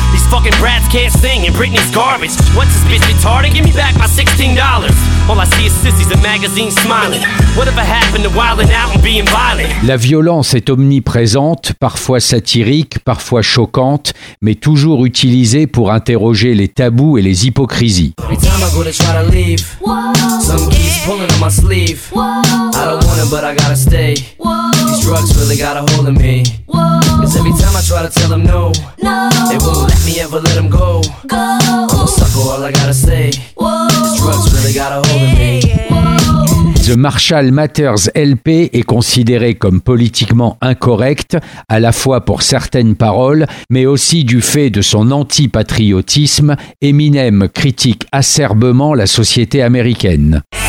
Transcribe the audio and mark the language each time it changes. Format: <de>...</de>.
<en>Fucking brats can't sing and Britney's garbage. What's this bitch retarded? Give me back my $16. All I see is sissies and magazines smiling. Whatever happened to wilding out and being violent?</en> <fr>La violence est omniprésente, parfois satirique, parfois choquante, mais toujours utilisée pour interroger les tabous et les hypocrisies.</fr> <en>Every time I go to try to leave, whoa, some keeps pulling on my sleeve. Whoa, I don't want it, but I gotta stay. Whoa, these drugs really got a hold of me. Whoa, 'cause every time I try to tell them no, no, they won't let me ever let them go. Go. I'm a sucker, all I gotta say. Whoa, these drugs really got a hold of me.</en> <fr>The Marshall Mathers LP est considéré comme politiquement incorrect, à la fois pour certaines paroles, mais aussi du fait de son anti-patriotisme. Eminem critique acerbement la société américaine.</fr>